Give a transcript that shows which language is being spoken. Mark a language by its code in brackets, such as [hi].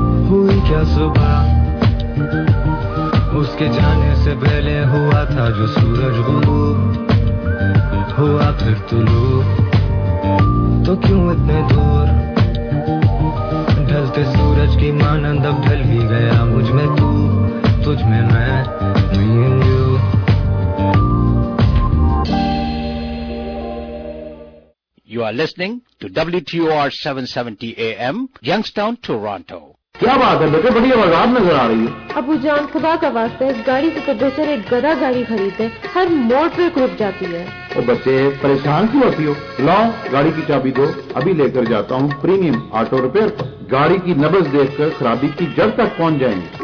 [hi] हुई क्या सुबह उसके जाने से पहले, हुआ था जो सूरज गुरूर, हुआ फिर तुलू, तो क्यों इतने दूर, ढलते सूरज की मानंद अब ढल ही गया मुझ में, तू तुझ में मैं, [en] me and you, you are listening to WTOR 770 AM Youngstown Toronto. [hi] क्या बात है बेटे, बड़ी आवाज नजर आ रही है। अबू जान खुदा का वास्ते, इस गाड़ी से प्रोड्यूसर एक गधा गाड़ी खरीदते, हर मोड़ पे रुक जाती है। ओ बच्चे परेशान क्यों होती हो, लाओ गाड़ी की चाबी दो, अभी लेकर जाता हूँ प्रीमियम ऑटो रिपेयर, गाड़ी की नब्ज देखकर खराबी की जड़ तक पहुँच जाएंगे।